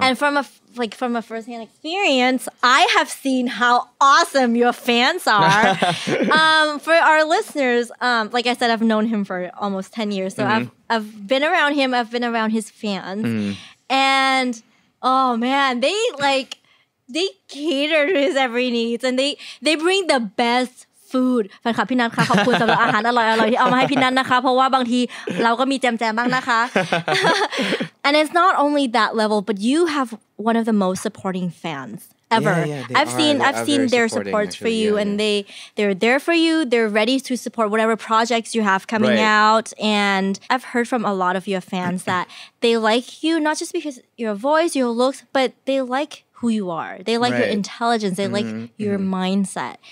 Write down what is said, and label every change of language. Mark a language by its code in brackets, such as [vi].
[en] And from a, like, from a firsthand experience, I have seen how awesome your fans are. For our listeners, like I said, I've known him for almost 10 years. So mm-hmm. I've been around him, I've been around his fans. Mm-hmm. And, oh man, they, like, they cater to his every needs. And they bring the best food [th] แฟนคลับพี่นัทค่ะขอบคุณสำหรับอาหารอร่อยๆที่เอามาให้พี่นัทนะคะเพราะว่าบางทีเราก็มีแจมๆบ้างนะคะ [en] And it's not only that level but you have one of the most supporting fans ever. Yeah, I've seen their supports for you yeah. and they're there for you, they're ready to support whatever projects you have coming right. out. And I've heard from a lot of your fans that they like you not just because your voice, your looks, but they like who you are. They like right. your intelligence. They mm-hmm. like your mm-hmm. mindset.